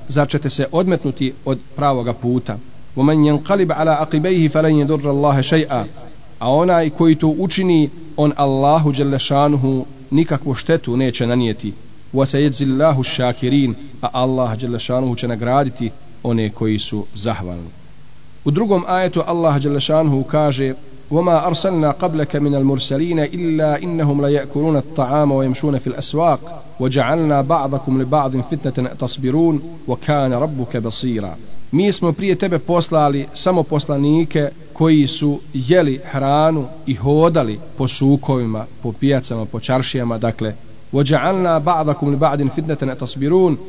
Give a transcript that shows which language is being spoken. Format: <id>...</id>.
<bs>Zar ćete se odmetnuti od pravoga puta?</bs> <ar>"Waman yanqalib ala aqibayhi falan yadurra Allah shay'a."</ar> <bs>A onaj koji to učini, on Allahu dželešanuhu nikakvu štetu neće nanijeti.</bs> <ar>وَسَيَجْزِ اللَّهُ الشَّاكِرِينَ.</ar> <bs>A Allah dželešanuhu će nagraditi one koji su zahvalni. U drugom ajetu Allah dželešanuhu kaže:</bs> <ar>وَمَا أَرْسَلْنَا قَبْلَكَ مِنَ الْمُرْسَلِينَ إِلَّا إِنَّهُمْ لَيَأْكُلُونَ الطَّعَامَ وَيَمْشُونَ فِي الْأَسْوَاقِ وَجَعَلْنَا بَعْضَكُمْ لِبَعْضٍ فِتْنَةً أَتَصْبِرُونَ وَكَانَ رَبُّكَ بَصِيرًا.</ar> <bs>Mi smo prije tebe poslali samo poslanike koji su jeli hranu i hodali po sukovima, po pijacama, po čaršijama, dakle</bs> <ar>وَجَعَلْنَا بَعْضَكُمْ لِبَعْدٍ فِتْنَةً أَتَصْبِرُونَ.</ar>